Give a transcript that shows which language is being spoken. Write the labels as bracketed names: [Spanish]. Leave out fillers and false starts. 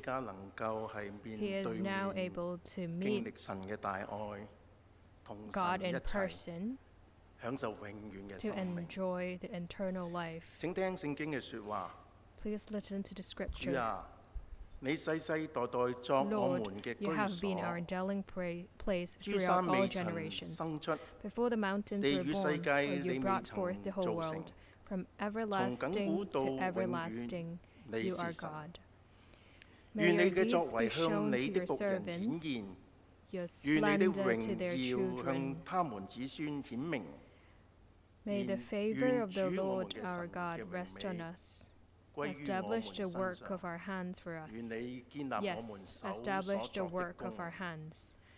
[Cantonese] 家能夠係面對面經歷神嘅大愛，同神一齊享受永遠嘅生命。 [English] Enjoy the eternal life. [Cantonese] 請聽聖經嘅説話。 [English] Please listen to the scripture. [Cantonese] 主啊，你世世代代作我們嘅居所。 [English] Lord, you have been our dwelling place throughout all generations. [Cantonese] 生出 [English] before the mountains were born, [Cantonese] 地與世界你未曾造成。 [English] From everlasting to everlasting, [Cantonese] 從亘古到永遠，你是神。 [English] You are God. [Cantonese] 願你嘅作為向你的仆人顯現，願你的榮耀向他們子孫顯明。 [English] May the favor of the Lord our God rest on us. Establish the work of our hands for us. Yes, establish the work of our hands.